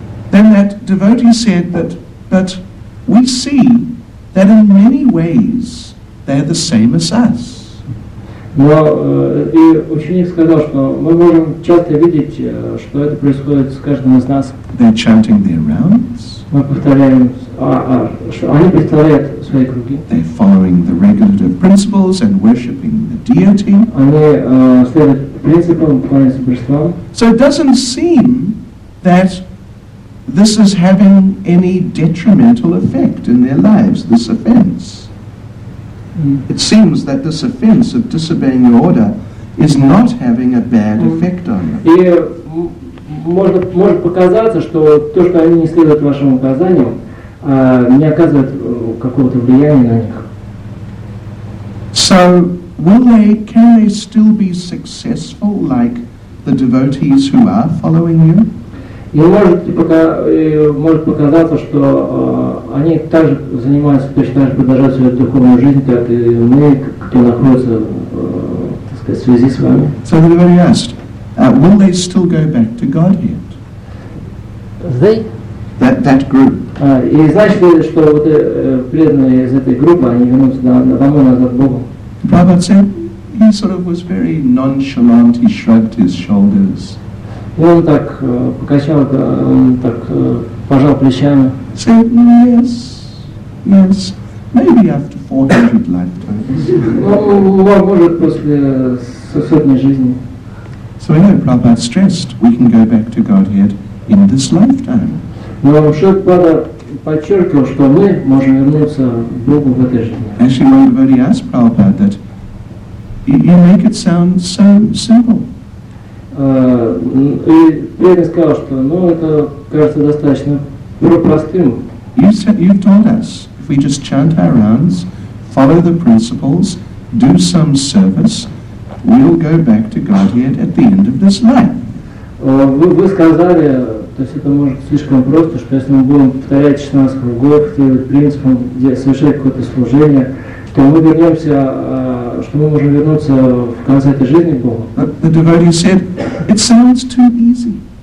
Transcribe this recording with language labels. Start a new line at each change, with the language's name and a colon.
English: Then that devotee said that, but we see that in many ways they're the same as us.
Russian: Но и ученик сказал, что мы можем часто видеть, что это происходит с каждым из нас.
English: They're chanting their rounds.
Russian: Мы повторяем, они представляют свои круги.
English: They're following the regulative principles and worshipping the deity.
Russian: Они следуют принципам, поклоняются божествам.
English: So it doesn't seem that this is having any detrimental effect in their lives, this offense. It seems that this offense of disobeying the order is not having a bad effect on them.
Russian: И может показаться, что то, что они не следуют вашим указаниям, не оказывает какого-то влияния на них.
English: So, can they still be successful like the devotees who are following you?
Russian: И может показаться, что они также занимаются, точно так же продолжают свою духовную жизнь, как и мы, кто находится, так сказать, в связи с вами.
English: So the devotee asked, will they still go back to Godhead? They? That group.
Russian: И значит ли, что вот преданные из этой группы, они вернутся домой назад к Богу?
English: Prabhupada said, he sort of was very nonchalant, he shrugged his shoulders.
Russian: Он так покачал, он так пожал плечами.
English: Said, yes, maybe after 400 lifetimes.
Russian: Может, после сотни жизней.
English: So anyway, Prabhupada stressed, we can go back to Godhead in this lifetime.
Russian: Но Шрила подчеркивал, что мы можем вернуться к Богу в этой жизни.
English: Actually, one devotee asked Prabhupada that you make it sound so simple.
Russian: И преданный сказал, что это кажется достаточно простым.
English: You've told us, if we just chant our rounds, follow the principles, do some service, we'll go back to Godhead at the end of this life.
Russian: Вы сказали, то есть это может слишком просто, что если мы будем повторять 16 кругов, следовать принципам, совершать какое-то служение, то мы вернемся, что мы можем вернуться в конце этой жизни к Богу.
English: The devotee said, it sounds too easy.